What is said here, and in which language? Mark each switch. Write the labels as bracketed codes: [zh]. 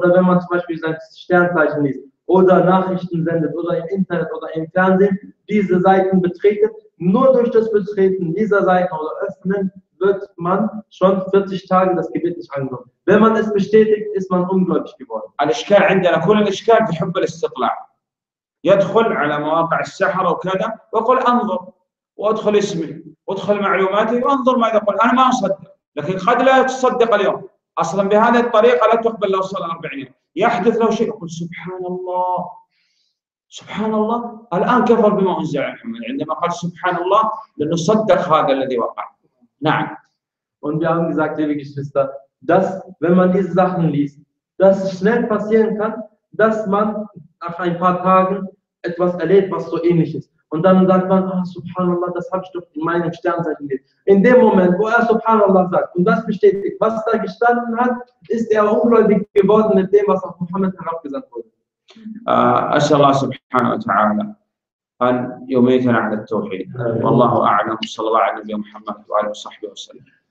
[de] Oder wenn man zum Beispiel sein Sternzeichen liest, oder Nachrichten sendet, oder im Internet, oder im Fernsehen, diese Seiten betreten, nur durch das Betreten dieser Seite oder Öffnen wird man schon 40 Tage das Gebet nicht angenommen. Wenn man es bestätigt, ist man ungläubig geworden. [ar] Al-Ishkal عندنا كل الإشكال في حب الاستطلاع. يدخل على مواقع السحر وكذا ويقول انظر وادخل اسمي وادخل معلوماتي وانظر ماذا يقول انا ما اصدق لكن قد لا تصدق اليوم اصلا بهذه الطريقه لا تقبل له صلاه 40 يوم يحدث له شيء يقول سبحان الله سبحان الله الآن كفر بما أنزل محمد عندما قال سبحان الله لأنه صدق هذا الذي وقع. نعم. [de] Und wir haben gesagt, liebe Geschwister, dass wenn man diese Sachen liest, dass es schnell passieren kann, dass man nach ein paar Tagen etwas erlebt, was so ähnlich ist. Und dann sagt man, ah, سبحان الله, das habe ich doch in meinem Sternzeichen gelesen. In dem Moment, wo er سبحان الله sagt und das bestätigt, was da gestanden hat, ist er ungläubig geworden mit dem, was auf Mohammed herabgesandt wurde. [ar] أسأل الله سبحانه وتعالى أن يميتنا على التوحيد والله أعلم صلى الله عليه وسلم وعلى نبينا محمد وعلى صحبه وسلم